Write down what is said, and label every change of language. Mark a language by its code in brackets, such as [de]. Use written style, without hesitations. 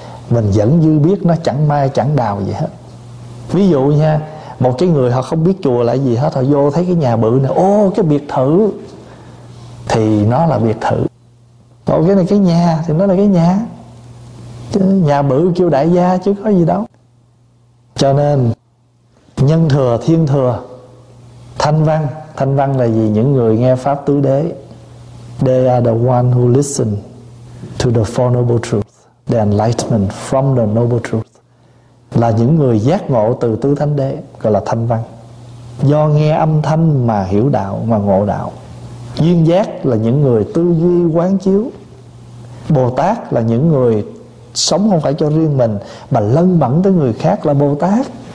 [vi] Mình vẫn dư biết nó chẳng mai chẳng đào gì hết. Ví dụ nha, một cái người họ không biết chùa là gì hết, họ vô thấy cái nhà bự này, ô cái biệt thự, thì nó là biệt thự. Ô cái này cái nhà thì nó là cái nhà. Chứ nhà bự kêu đại gia chứ có gì đâu. Cho nên nhân thừa, thiên thừa, thanh văn. Thanh văn là gì? Những người nghe pháp tứ đế. [en] They are the one who listen to the four noble truths, the enlightenment from the noble truth. [vi] Là những người giác ngộ từ tứ thánh đế, gọi là thanh văn. Do nghe âm thanh mà hiểu đạo, mà ngộ đạo. Duyên giác là những người tư duy quán chiếu. Bồ Tát là những người sống không phải cho riêng mình, mà lân bẩn tới người khác là Bồ Tát.